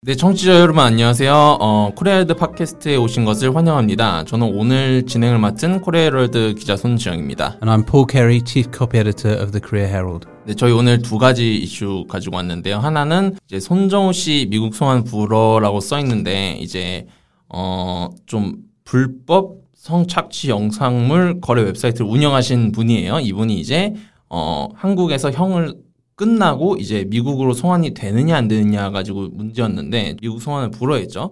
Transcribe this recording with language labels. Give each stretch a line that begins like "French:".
Korean: 네, 청취자 여러분 안녕하세요. 코리아월드 팟캐스트에 오신 것을 환영합니다. 저는 오늘 진행을 맡은 코리아월드 기자 손지영입니다.
English: And I'm Paul Carey, Chief Copy Editor of the Korea Herald.
Korean: 네, 저희 오늘 두 가지 이슈 가지고 왔는데요. 하나는 이제 손정우 씨 미국 송환 불허라고 써 있는데 이제 좀 불법 성착취 영상물 거래 웹사이트를 운영하신 분이에요. 이분이 이제 한국에서 형을 끝나고 이제 미국으로 송환이 되느냐 안 되느냐 가지고 문제였는데 미국 송환을 불허했죠.